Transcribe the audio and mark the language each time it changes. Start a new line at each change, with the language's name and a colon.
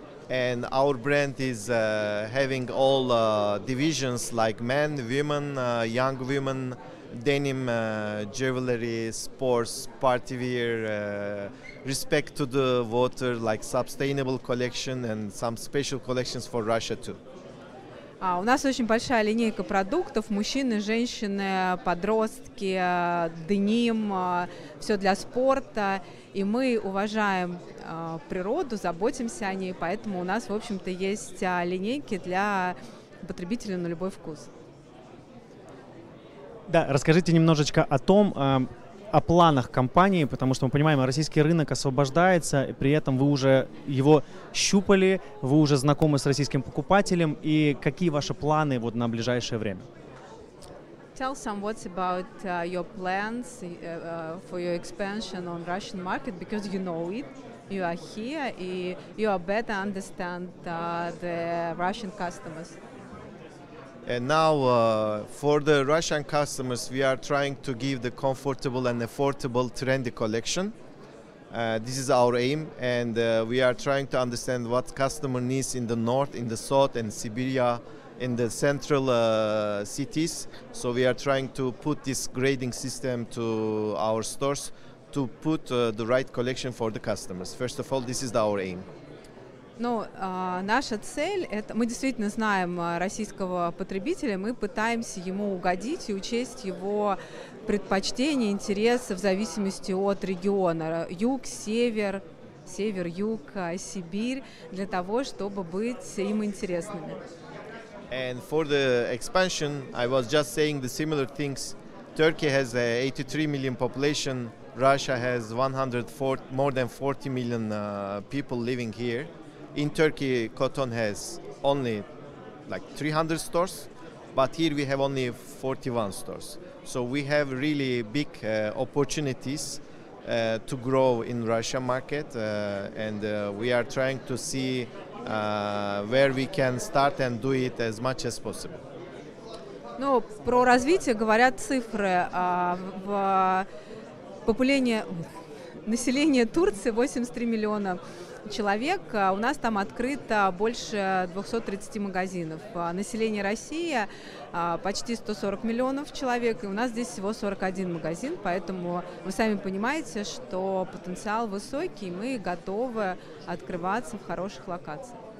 English: And our brand is having all divisions like men, women, young women, denim, jewelry, sports, party wear, respect to the water, like sustainable collection and some special collections for Russia too.
Russian: У нас очень большая линейка продуктов: мужчины, женщины, подростки, деним, все для спорта. И мы уважаем природу, заботимся о ней, поэтому у нас, в общем-то, есть линейки для потребителя на любой вкус. Да, расскажите немножечко о том, о планах компании, потому что мы понимаем, российский рынок освобождается, при этом вы уже его щупали, вы уже знакомы с российским покупателем, и какие ваши планы вот на ближайшее время?
English: Tell some words about your plans for your expansion on Russian market, because you know it, you are here, and you are better understand the Russian customers. And now for the Russian customers, we are trying to give the comfortable and affordable trendy collection. This is our aim, and we are trying to understand what customer needs in the north, in the south, and Siberia, in the central cities. So we are trying to put this grading system to our stores to put the right collection for the customers. First of all, this is our aim.
Russian: Ну, наша цель – это мы действительно знаем российского потребителя, мы пытаемся ему угодить и учесть его предпочтения, интересы в зависимости от региона – юг, север, север, юг, Сибирь – для того, чтобы быть им интересными.
English: And for the expansion, I was just saying the similar things. Turkey has 83 million population, Russia has 140, more than 40 million people living here. In Turkey, Coton has only like 300 stores, but here we have only 41 stores. So we have really big opportunities to grow in Russia market, and we are trying to see where we can start and do it as much as possible.
Russian: Ну, про развитие говорят цифры. В популяции населения Турции 83 миллиона. Человек, у нас там открыто больше 230 магазинов. Население России почти 140 миллионов человек, и у нас здесь всего 41 магазин, поэтому вы сами понимаете, что потенциал высокий, и мы готовы открываться в хороших локациях.